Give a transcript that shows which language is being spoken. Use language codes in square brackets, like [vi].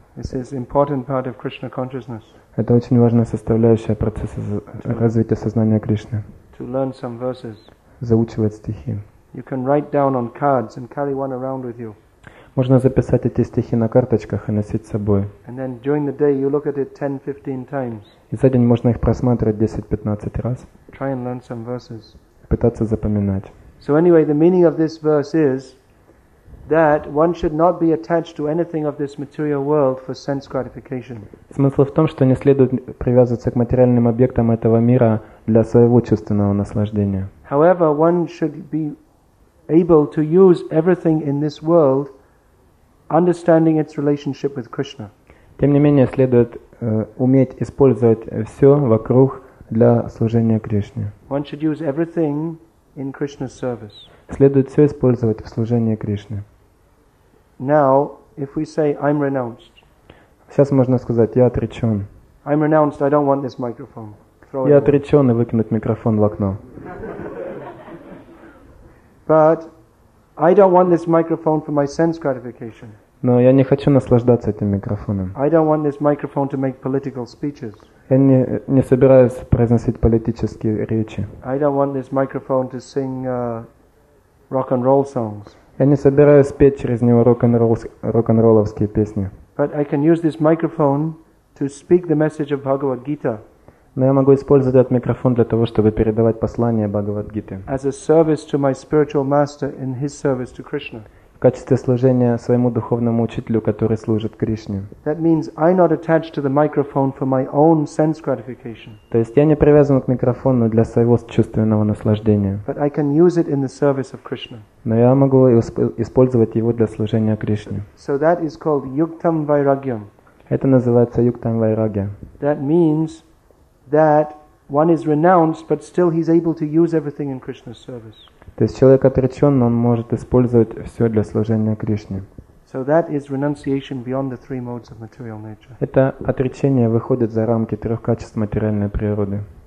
[en] This is an important part of Krishna consciousness. [ru] Это очень важная составляющая процесса развития сознания Кришны. [en] To learn some verses. [ru] Заучивать стихи. [en] You can write down on cards and carry one around with you. [ru] Можно записать эти стихи на карточках и носить с собой. [en] And then during the day you look at it 10-15 times. [ru] И за день можно их просматривать 10-15 раз. [en] Try and learn some verses. [ru] Пытаться запоминать. [en] So anyway, the meaning of this verse is that one should not be attached to anything of this material world for sense gratification. [ru] Смысл в том, что не следует привязываться к материальным объектам этого мира для своего чувственного наслаждения. [en] However, one should be able to use everything in this world, understanding its relationship with Krishna. [ru] Тем не менее, следует уметь использовать все вокруг для служения Кришне. [en] One should use everything in Krishna's service. [ru] Следует все использовать в служении Кришне. [en] Now, if we say I'm renounced. [ru] Сейчас можно сказать, я отречен. [en] I'm renounced, I don't want this microphone. Throw it. [ru] Я отречен и выкинуть микрофон в окно. [en] But I don't want this microphone for my sense gratification. [ru] Но я не хочу наслаждаться этим микрофоном. [en] I don't want this microphone to make political speeches. [ru] Я не собираюсь произносить политические речи. [en] I don't want this microphone to sing rock and roll songs. [ru] Я не собираюсь петь через него рок-н-ролловские песни. [en] But I can use this microphone to speak the message of Bhagavad Gita. [ru] Но я могу использовать этот микрофон для того, чтобы передавать послание Бхагавад Гиты. [en] As a service to my spiritual master in his service to Krishna. [ru] В качестве служения своему духовному учителю, который служит Кришне. [en] That means I'm not attached to the microphone for my own sense gratification. [ru] То есть я не привязан к микрофону для своего чувственного наслаждения. [en] But I can use it in the service of Krishna. [ru] Но я могу использовать его для служения Кришне. [en] So that is called yuktam vairagyam. [ru] Это называется yuktam vairagya. [en] That means that one is renounced, but still he's able to use everything in Krishna's service. [ru] То есть человек отречен, но он может использовать все для служения Кришне. [en] So that is renunciation beyond the three modes of material nature. [ru] Это отречение выходит за рамки трех качеств материальной природы.